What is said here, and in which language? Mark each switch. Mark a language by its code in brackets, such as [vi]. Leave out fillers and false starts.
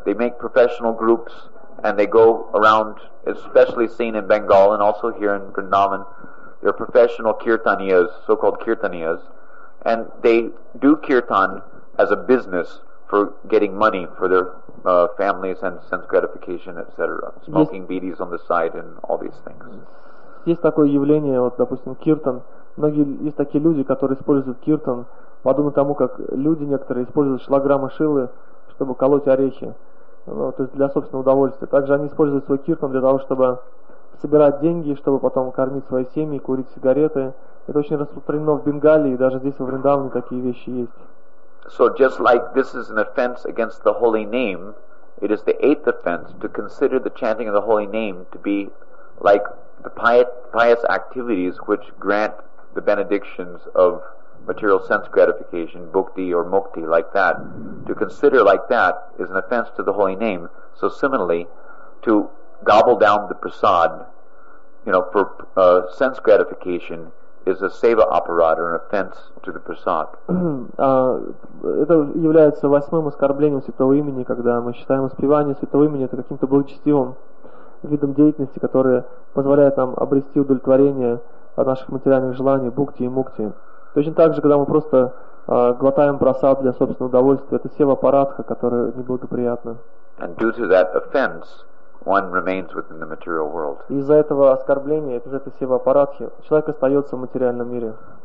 [en] They make professional groups and they go around, especially seen in Bengal and also here in Vrindavan. They're professional kirtaniyas, so-called kirtaniyas, and they do kirtan as a business for getting money for their families and sense gratification, etc. Smoking bidis on the side and all these things. [ru] Есть такое явление, вот, допустим, киртан. Многие есть такие люди, которые используют киртан подобно тому, как люди некоторые используют шлаграма шилы, чтобы колоть орехи, ну, то есть для собственного удовольствия. Также они используют свой киртан для того, чтобы собирать деньги, чтобы потом кормить свои семьи, курить сигареты. Это очень распространено в Бенгалии, даже здесь во Вриндаване такие вещи есть. [en] So just like this is an offense against the holy name, it is the eighth offense to consider the chanting of the holy name to be like the pious activities which grant the benedictions of material sense gratification, bhakti or mukti, like that. To consider like that is an offense to the holy name. So similarly, to gobble down the prasad, you know, for sense gratification is a seva aparada, an offense to the prasad. [ru] Это является восьмым оскорблением святого имени, когда мы считаем успевание святого имени это каким-то благочестивым видом деятельности, которое позволяет нам обрести удовлетворение от наших материальных желаний, бхукти и мукти. Точно так же, когда мы просто глотаем прасад для собственного удовольствия, это сева парадха, которая неблагоприятна. [en] And due to that offense, one remains within the material world. [ru] Из-за этого оскорбления, из-за этой сева парадхи, человек остается в материальном мире.